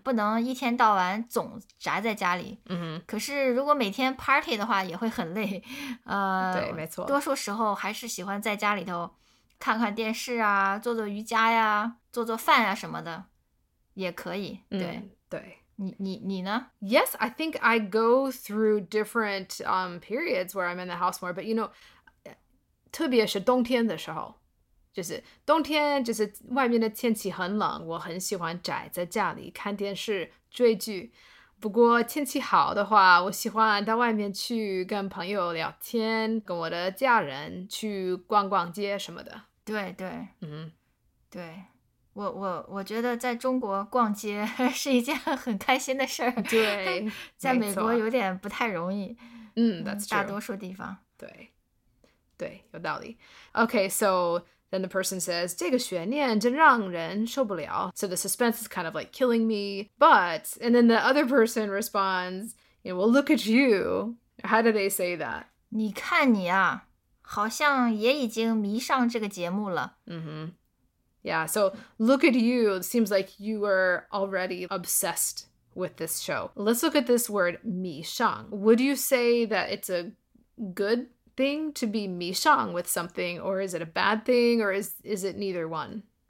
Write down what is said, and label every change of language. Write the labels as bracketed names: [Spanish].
[Chinese] 不能一天到晚总宅在家里。 Mm-hmm. 可是如果每天 party 的话也会很累。对，没错。多数时候还是喜欢在家里头看看电视啊，做做瑜伽呀，做做饭啊什么的。也可以。对。 Mm-hmm. 对。你呢？ [English] Yes, I think I go through different periods where I'm in the house more, but you know, [Chinese] 特别是冬天的时候。就是冬天就是外面的天气很冷我很喜欢宅在家里看电视追剧不过天气好的话我喜欢到外面去跟朋友聊天跟我的家人去逛逛街什么的对对嗯，对 我觉得在中国逛街是一件很开心的事儿。对在美国有点不太容易 [English] 嗯 that's true [Chinese] 大多数地方对对有道理 [English] okay soThen the person says, [Chinese] 这个悬念真让人受不了。 [English] So the suspense is kind of like killing me. But, and then the other person responds, you know, well, look at you. How do they say that? [Chinese] 你看你啊,好像也已经迷上这个节目了。 [English] Mm-hmm. Yeah, so look at you. It seems like you were already obsessed with this show. Let's look at this word, 迷上.Would you say that it's a good thing to be 迷上 with something or is it a bad thing or is it neither one?